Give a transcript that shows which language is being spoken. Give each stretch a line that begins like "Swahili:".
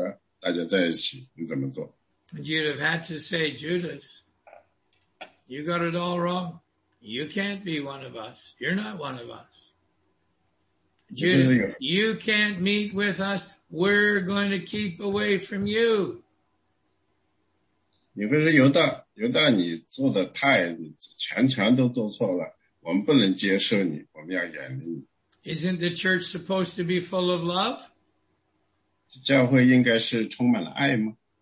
Chinese: 那你会怎么做?你如果是那十二个门徒,就是那十一个门徒,如果那个犹大,他没有吃自杀,他回来,他想和大家在一起,你怎么做?
English: And you'd have had to say, Judas, you got it all wrong. You can't be one of us. You're not one of us. Judas, you can't meet with us. We're going to keep away from you.
Chinese: 你不是犹大,犹大你做的太,全全都做错了,我们不能接受你,我们要远离你。
English: Isn't the church supposed to be full of love?
Chinese: 教会应该是充满了爱吗?